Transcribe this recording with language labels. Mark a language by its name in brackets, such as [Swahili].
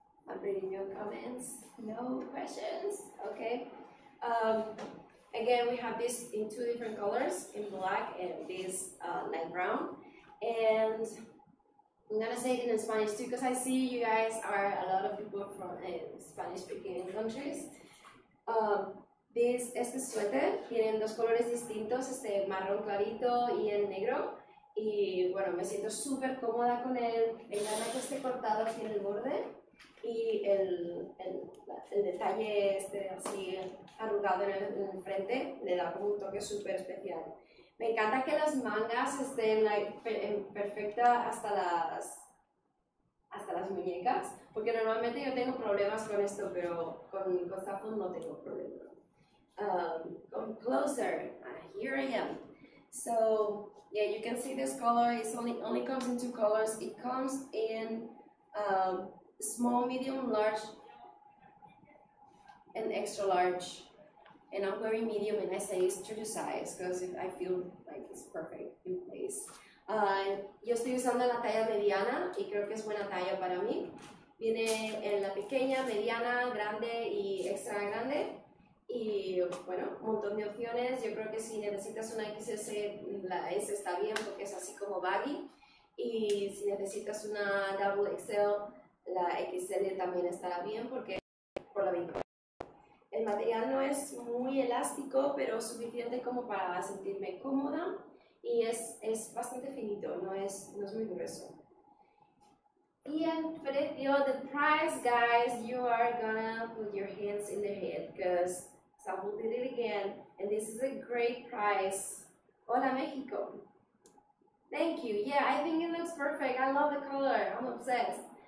[English] I'm reading your comments. No questions. Okay. Again, we have this in two different colors, in black and this light brown. And I'm gonna say it in Spanish too, because I see you guys are a lot of people from Spanish speaking countries. [Spanish] Este suéter tienen dos colores distintos, este marrón clarito y el negro. Y bueno, me siento súper cómoda con él. Me encanta que esté cortado aquí en el borde y el detalle este así arrugado en el frente le da como un toque súper especial. Me encanta que las mangas estén en perfecta hasta las muñecas, porque normalmente yo tengo problemas con esto, pero con Zaful no tengo problema. [English] Come closer, here I am. So yeah, you can see this color. It only comes in two colors. It comes in small, medium, large, and extra large. And I'm wearing medium, and I say it's true to size because I feel like it's perfect in place. [Spanish] Yo estoy usando la talla mediana y creo que es buena talla para mí. Viene en la pequeña, mediana, grande y extra grande. Y bueno, un montón de opciones. Yo creo que si necesitas una XS, la S está bien porque es así como baggy. Y si necesitas una double XL, la XL también estará bien porque por la misma. El material no es muy elástico, pero suficiente como para sentirme cómoda. Y es bastante finito, no es muy grueso. Y el precio, [English] the price, guys, you are gonna put your hands in the head, because Zaful did it again, and this is a great price. Hola, Mexico. Thank you. Yeah, I think it looks perfect. I love the color. I'm obsessed.